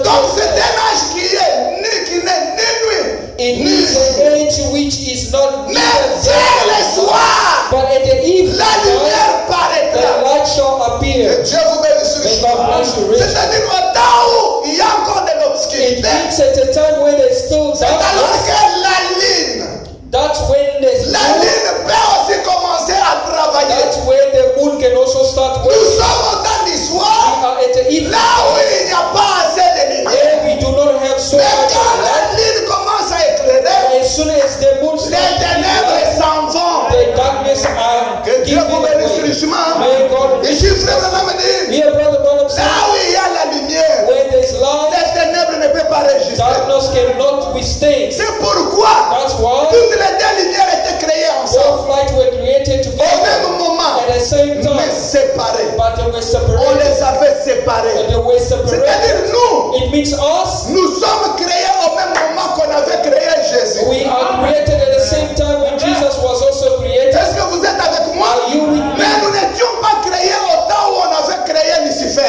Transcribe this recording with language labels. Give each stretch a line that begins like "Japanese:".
French: Donc c'est un âge qui n'est ni nuit.
English: It is an age which is not necessarily soir. But at the evening,
French: la lumière paraîtra.
English: The light shall appear.
French: Que Dieu vous bénisse.
English: May God bless you.
French: C'est-à-dire au temps où il y a encore de l'obscurité.
English: It means at a time when there's still darkness.
French: C'est alors que la lune.
English: That's when the
French: la lune peut aussi commencer à travailler.
English: That's when the moon can also start working.
French: Nous sommes au temps du soir.
English: We are at the evening.
French: Là où il n'y a pas assez de lumière.
English: There we do not have so
French: mais
English: much.
French: Mais quand la lune commence à éclairer,
English: as soon as the moon
French: starts, les ténèbres s'en vont.
English: The darkness are
French: que Dieu vous bénisse richement.
English: May God bless you.
French: Et je suis frère de la Médine. Là où il y a la lumière,
English: when there's light,
French: les ténèbres ne peuvent pas résister.
English: Darkness cannot withstand.
French: C'est pourquoi.
English: That's why. Both lights were created together.
French: Au même moment,
English: at the same time,
French: mais séparés.
English: But they were separated.
French: On les avait séparés.
English: And they were separated.
French: C'est-à-dire nous.
English: It means us.
French: Nous sommes créés au même moment qu'on avait créé Jésus.
English: We are created at the same time when Jesus was also created.
French: Est-ce que vous êtes avec moi?
English: Are you with me?
French: Mais nous n'étions pas créés au temps où on avait créé Lucifer.